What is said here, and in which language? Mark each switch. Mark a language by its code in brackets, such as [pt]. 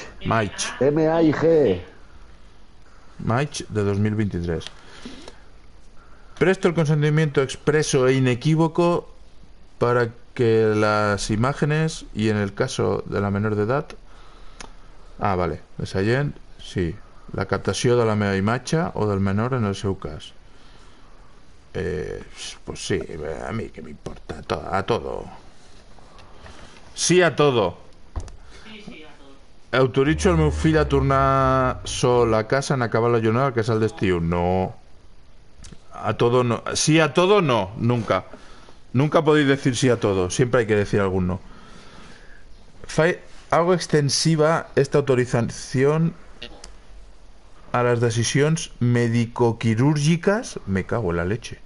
[ca] Maig. M-A-I-G. Maig de 2023. [es] Presto el consentimiento expreso e inequívoco para que las imágenes, y en el caso de la menor de edad. Ah, vale. De Sayen, sí. [ca] La captación de la meva imatge o del menor en el seu cas. [es] Pues sí, a mí que me importa, a todo. Sí, a todo. Sí, a todo. [ca] Autoritzo el meu fill a tornar sol a casa en acabar la jornada que és el destí. [es] No. A todo no. Sí, a todo no, nunca. Nunca podéis decir sí a todo, siempre hay que decir algún no. Hago extensiva esta autorización a las decisiones médico-quirúrgicas, me cago en la leche,